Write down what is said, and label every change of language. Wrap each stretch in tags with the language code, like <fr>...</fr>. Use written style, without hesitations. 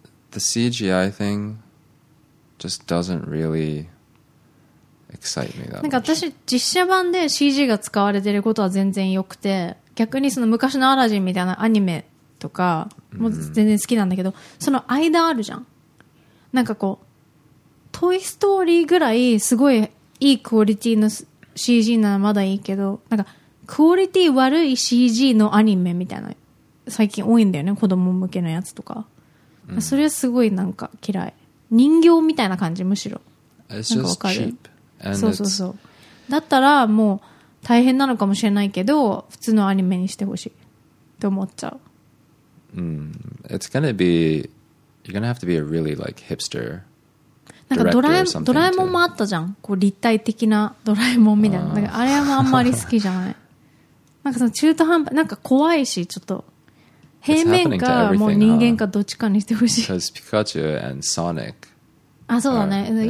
<en>The CGI thing just doesn't really excite me that much.</en> <ja>なんか私実写版で CG が使われてることは全然良くて、逆にその昔のアラジンみたいなアニメとかも全然好きなんだけど、その間あるじゃん。なんかこうトイストーリーぐらいすごいいいクオリティの CG ならまだいいけど、なんかクオリティ悪い CG のアニメみたいな最近多いんだよね、子供向けのやつとか。それはすごいなんか嫌い。人形みたいな感じ、むしろ。</ja> <en>It's just cheap.</en> <ja>そうそうそう。だったらもう大変なのかもしれないけど、普通のアニメにしてほしいと思っちゃう。</ja> <en>It's gonna be, you're gonna have to be a really like hipster</en> <ja>なんかドラえもんもあったじゃん。こう立体的なドラえもんみたいな。なんかあれもあんまり好きじゃない。なんかその中途半端、なんか怖いし、ちょっと。平面かもう人間かどっちかにしてほしい。</ja> <en>Because Pikachu and Sonic.</en> <ja>あ、そうだね。Yeah.</ja>